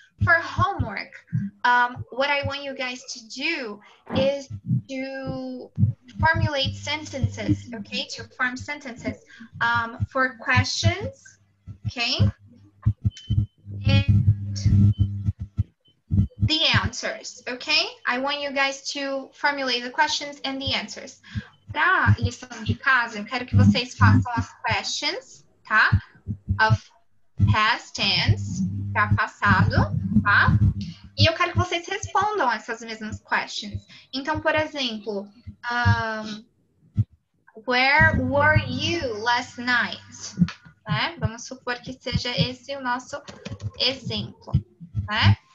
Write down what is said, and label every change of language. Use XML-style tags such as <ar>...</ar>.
<en>For homework, what I want you guys to do is to formulate sentences, okay? To form sentences for questions, okay? And the answers, okay? I want you guys to formulate the questions and the answers.</en> <pt>Pra lição de casa, eu quero que vocês façam as questions, tá?</pt> <en>Of past tense,</en> <pt>pra passado, tá? E eu quero que vocês respondam essas mesmas questions. Então, por exemplo,</pt> <en>where were you last night?</en> <pt>Né? Vamos supor que seja esse o nosso exemplo, né?</pt>